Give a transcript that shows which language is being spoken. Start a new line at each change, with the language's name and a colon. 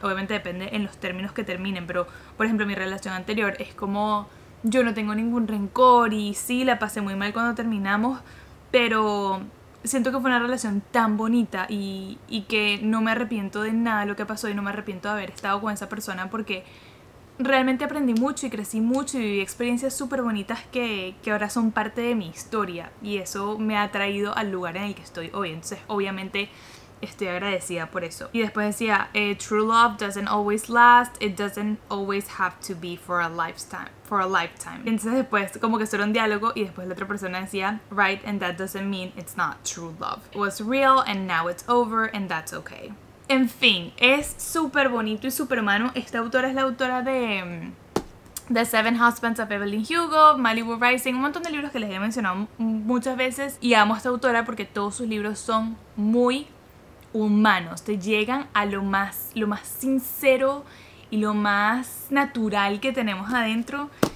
Spanish: Obviamente depende en los términos que terminen, pero por ejemplo mi relación anterior es como, yo no tengo ningún rencor y sí, la pasé muy mal cuando terminamos, pero siento que fue una relación tan bonita y que no me arrepiento de nada de lo que pasó y no me arrepiento de haber estado con esa persona porque realmente aprendí mucho y crecí mucho y viví experiencias súper bonitas que ahora son parte de mi historia y eso me ha traído al lugar en el que estoy hoy. Entonces, obviamente, estoy agradecida por eso. Y después decía,
English: true love doesn't always last, it doesn't always have to be for a lifetime.
Spanish: Entonces después como que solo un diálogo y después la otra persona decía,
English: right, and that doesn't mean it's not true love. It was real and now it's over and that's okay.
Spanish: En fin, es súper bonito y súper humano. Esta autora es la autora de The Seven Husbands of Evelyn Hugo, Malibu Rising, un montón de libros que les he mencionado muchas veces. Y amo a esta autora porque todos sus libros son muy humanos, te llegan a lo más sincero y lo más natural que tenemos adentro.